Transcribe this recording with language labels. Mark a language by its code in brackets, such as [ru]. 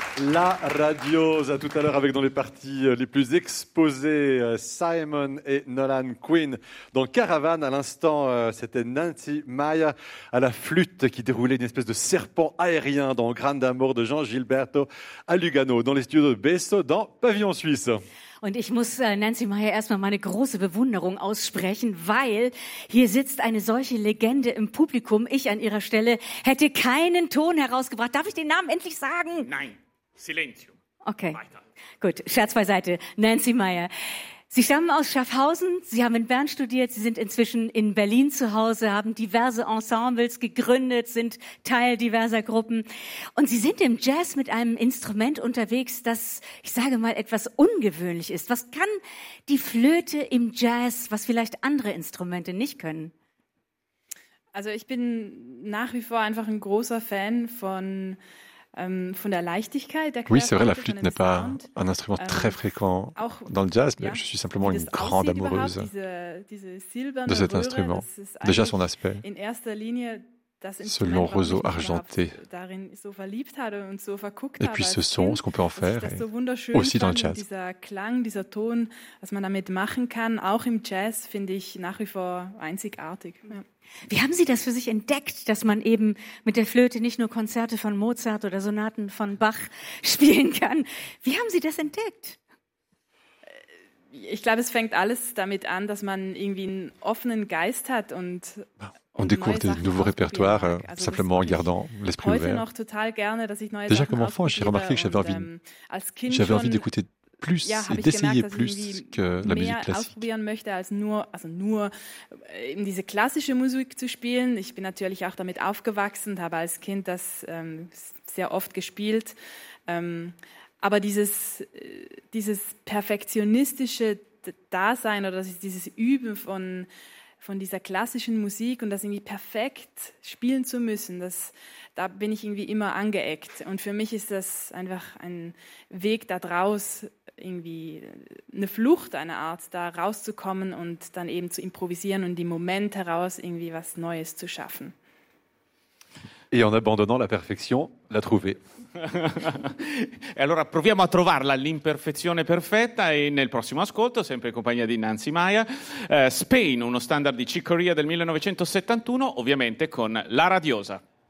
[fr] La radio, à tout à l'heure avec dans les parties les plus exposées, Simon et Nolan Quinn. Dans Caravan, à l'instant, c'était Nancy Maya à la flûte qui déroulait une espèce de serpent aérien dans Grande Amour de Jean Gilberto à Lugano, dans les studios de Besso, dans Pavillon Suisse. [de] Und ich muss Nancy Maya erstmal meine große Bewunderung aussprechen, weil hier sitzt eine solche Legende im Publikum. Ich an ihrer Stelle hätte keinen Ton herausgebracht. Darf ich den Namen endlich sagen? Nein, Silenzio. Okay, weiter. Gut, Scherz beiseite. Nancy Maya, Sie stammen aus Schaffhausen, Sie haben in Bern studiert, Sie sind inzwischen in Berlin zu Hause, haben diverse Ensembles gegründet, sind Teil diverser Gruppen. Und Sie sind im Jazz mit einem Instrument unterwegs, das, ich sage mal, etwas ungewöhnlich ist. Was kann die Flöte im Jazz, was vielleicht andere Instrumente nicht können? Also ich bin nach wie vor einfach ein großer Fan von der Leichtigkeit der [fr] Oui, c'est vrai, la flûte n'est pas un instrument très fréquent auch, dans le jazz, mais ja, je suis simplement une grande amoureuse de cet instrument. Déjà son aspect, [de] in erster Linie, das [fr] ce long roseau argenté, [de] so verliebt hatte und so verguckt [fr] et puis ce son, ce qu'on peut en faire, et aussi dans le jazz. [de] Dieser Klang, dieser Ton, was man damit machen kann, auch im Jazz, finde ich nach wie vor einzigartig. Ja. Wie haben Sie das für sich entdeckt, dass man eben mit der Flöte nicht nur Konzerte von Mozart oder Sonaten von Bach spielen kann? Wie haben Sie das entdeckt? Ich glaube, es fängt alles damit an, dass man irgendwie einen offenen Geist hat und [fr] on découvre des nouveaux répertoires simplement en gardant l'esprit ouvert. Déjà comme enfant, j'ai remarqué que j'avais envie d'écouter plus et d'essayer plus que la musique classique. [de] Nur eben diese klassische Musik zu spielen. Ich bin natürlich auch damit aufgewachsen, habe als Kind das sehr oft gespielt. Aber dieses perfektionistische Dasein oder dieses Üben von dieser klassischen Musik und das irgendwie perfekt spielen zu müssen, da bin ich irgendwie immer angeeckt. Und für mich ist das einfach ein Weg da draus, irgendwie eine Flucht, eine Art, da rauszukommen und dann eben zu improvisieren und im Moment heraus irgendwie was Neues zu schaffen. [fr] Et en abandonnant la perfection, la trouver. [it] E allora proviamo a trovarla, l'imperfezione perfetta, e nel prossimo ascolto, sempre in compagnia di Nancy Maya, Spain, uno standard di Chick Corea del 1971, ovviamente con La Radiosa.